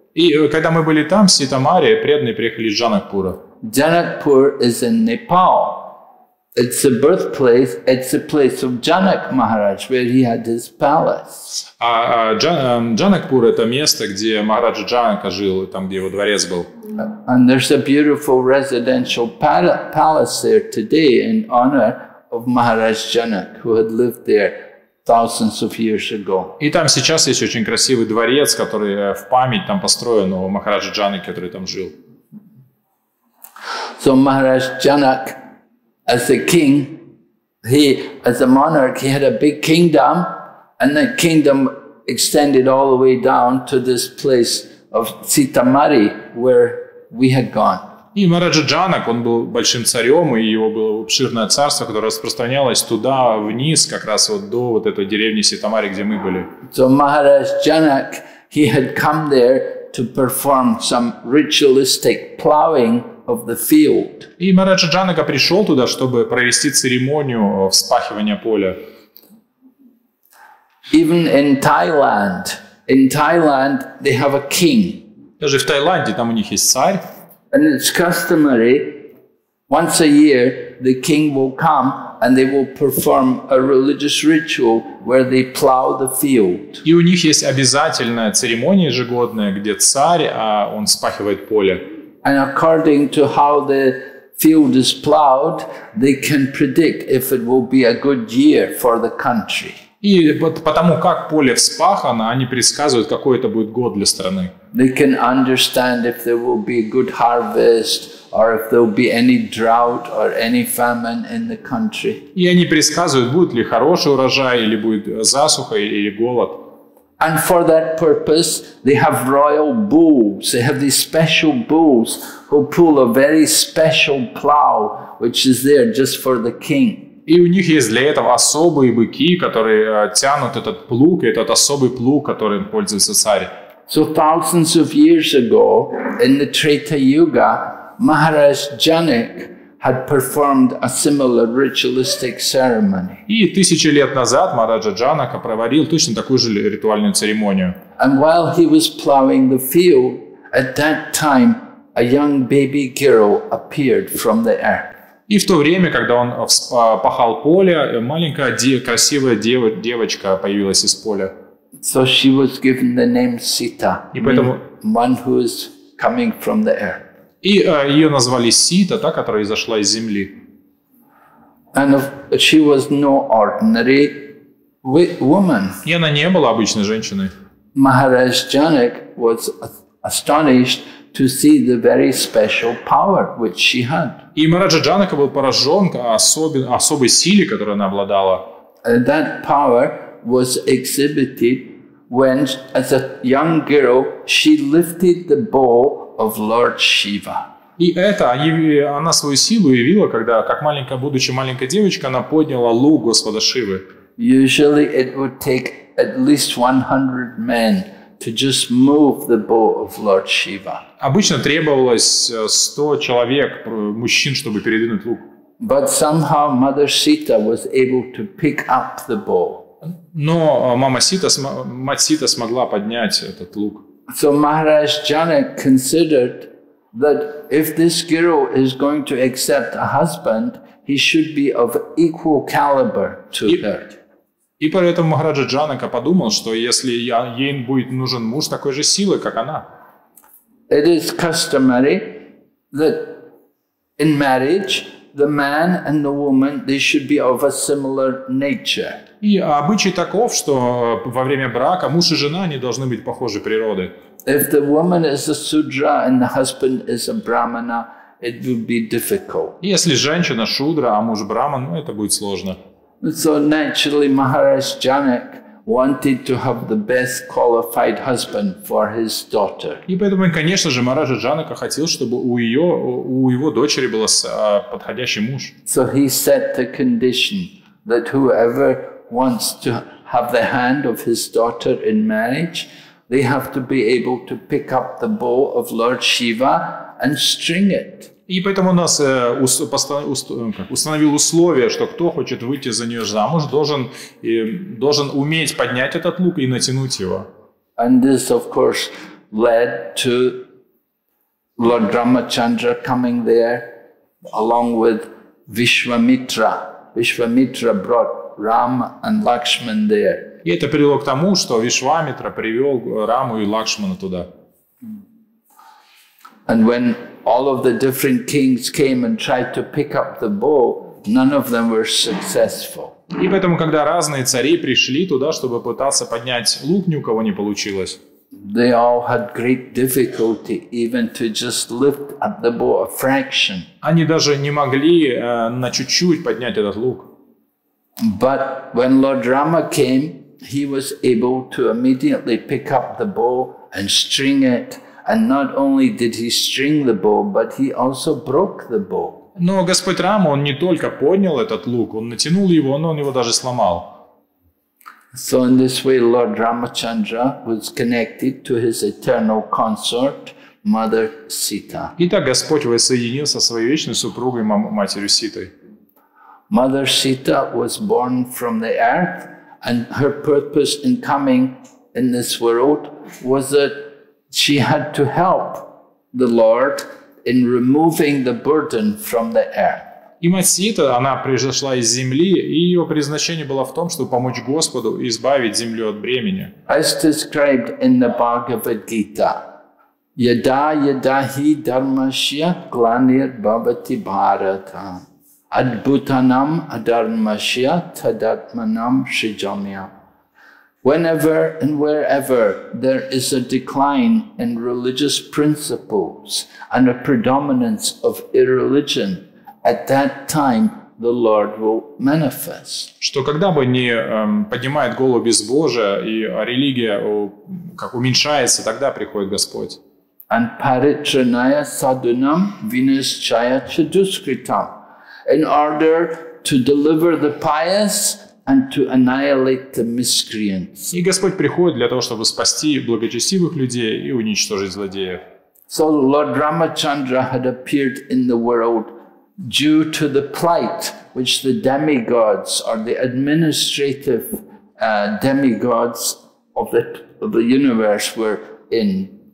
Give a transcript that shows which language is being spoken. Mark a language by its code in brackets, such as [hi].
[ru] И когда мы были там, в Ситамаре, преданные приехали из Джанакпура. [en] Джанакпур is in Nepal. It's the birthplace, it's the place of Janak Maharaj, where he had his palace. [ru] Джанакпур – это место, где Махараджа Джанака жил, там, где его дворец был. [en] And there's a beautiful residential palace there today in honor of Maharaj Janak, who had lived there thousands of years ago. [ru] И там сейчас есть очень красивый дворец, который в память там построен у Махараджа Джанаки, который там жил. [en] So Maharaj Janak, as a king, he as a monarch, he had a big kingdom, and that kingdom extended all the way down to this place of Sitamari, where we had gone. [ru] И Мараджа Джанак, он был большим царем, и его было обширное царство, которое распространялось туда, вниз, как раз вот до вот этой деревни Ситамари, где мы были. [en] So Maharaj Janak, he had come there to perform some ritualistic plowing of the field. [ru] И Мараджа Джанака пришел туда, чтобы провести церемонию вспахивания поля. [en] Even in Thailand they have a king. [ru] Даже в Таиланде, там у них есть царь. [en] And it's customary, once a year, the king will come and they will perform a religious ritual where they plow the field. [ru] И у них есть обязательная церемония ежегодная, где царь, а он вспахивает поле. [en] And according to how the field is plowed, they can predict if it will be a good year for the country. [ru] И вот потому, как поле вспахано, они предсказывают, какой это будет год для страны. [en] They can understand if there will be good harvest or if there will be any drought or any famine in the country. [ru] И они предсказывают, будет ли хороший урожай или будет засуха или голод. [en] And for that purpose, they have royal bulls. They have these special bulls who pull a very special plow, which is there just for the king. [ru] И у них есть для этого особые быки, которые тянут этот плуг, и этот особый плуг, которым пользуется царь. [en] So thousands of years ago, in the Treta Yuga, Maharaj Janak had performed a similar ritualistic ceremony. [ru] И тысячи лет назад Мараджа Джанака проводил точно такую же ритуальную церемонию. [en] And while he was plowing the field, at that time, a young baby girl appeared from the earth. [ru] И в то время, когда он пахал поле, маленькая красивая девочка появилась из поля. [en] So she was given the name Sita, [ru] поэтому, [en] one who is coming from the earth. [ru] И ее назвали Сита, та, которая изошла из земли. [en] And she was no ordinary woman. [ru] И она не была обычной женщиной. [en] Maharaj Janak was astonished to see the very special power which she had. [ru] И Мараджа Джанака был поражен особой силе, которую она обладала. [en] And that power was exhibited when, as a young girl, she lifted the bow of Lord Shiva. [ru] И это она свою силу явила, когда, как маленькая, будучи маленькой девочкой, она подняла лук Господа Шивы. [en] Usually it would take at least 100 men to just move the bow of Lord Shiva. [ru] Обычно требовалось 100 человек, мужчин, чтобы передвинуть лук. [en] But somehow Mother Sita was able to pick up the bow. [ru] Но мама Сита, мать Сита смогла поднять этот лук. [en] So Maharaj Janak considered that if this girl is going to accept a husband, he should be of equal caliber to her. [ru] И поэтому Махараджа Джанака подумал, что если ей будет нужен муж такой же силы, как она. [en] It is customary that in marriage the man and the woman, they should be of a similar nature. [ru] И обычай таков, что во время брака муж и жена, они должны быть похожи природы. [en] If the woman is a sudra and the husband is a brahmana, it would be difficult. [ru] Если женщина шудра, а муж браман, ну это будет сложно. [en] So naturally Maharaj Janak wanted to have the best qualified husband for his daughter. [ru] И поэтому, конечно же, Мараджа Джанака хотел, чтобы у его дочери был подходящий муж. [en] So he set the condition that whoever wants to have the hand of his daughter in marriage, they have to be able to pick up the bow of Lord Shiva and string it. [ru] И поэтому у нас установил условие, что кто хочет выйти за нее замуж, должен уметь поднять этот лук и натянуть его. [en] And this, of course, led to Lord Ramachandra coming there along with Vishwamitra. Vishwamitra brought Rama and Lakshman there. [ru] И это привело к тому, что Вишвамитра привел Раму и Лакшмана туда. [en] And when all of the different kings came and tried to pick up the bow, none of them were successful. [ru] И поэтому, когда разные цари пришли туда, чтобы пытаться поднять лук, ни у кого не получилось. [en] They all had great difficulty even to just lift up the bow a fraction. [ru] Они даже не могли на чуть-чуть поднять этот лук. [en] But when Lord Rama came, he was able to immediately pick up the bow and string it And not only did he string the bow, but he also broke the bow. [ru] Но Господь Рама, он не только поднял этот лук, он натянул его, но он его даже сломал. [en] So in this way, Lord Ramachandra was connected to his eternal consort, Mother Sita. [ru] Итак, Господь воссоединился со своей вечной супругой, матерью Ситой. [en] Mother Sita was born from the earth, and her purpose in coming in this world was that she had to help the Lord in removing the burden from the earth. [ru] И мать Сита, она произошла из земли, и ее предназначение было в том, чтобы помочь Господу избавить землю от бремени. [en] As described in the Bhagavad Gita, [sa] yada yada hi dharmasya glanir bhavati bharata adbhutanam adharmasya tadatmanam shijamya. [en] Whenever and wherever there is a decline in religious principles and a predominance of irreligion, at that time the Lord will manifest. [ru] Что когда бы ни поднимает голову безбожие и религия как уменьшается, тогда приходит Господь. [en] And [sa] paritranaya sadhunam vinischaya chaduskritam, [en] in order to deliver the pious and to annihilate the miscreants. [ru] И Господь приходит для того, чтобы спасти благочестивых людей и уничтожить злодеев. [en] So Lord Ramachandra had appeared in the world due to the plight which the demigods or the administrative demigods of the universe were in.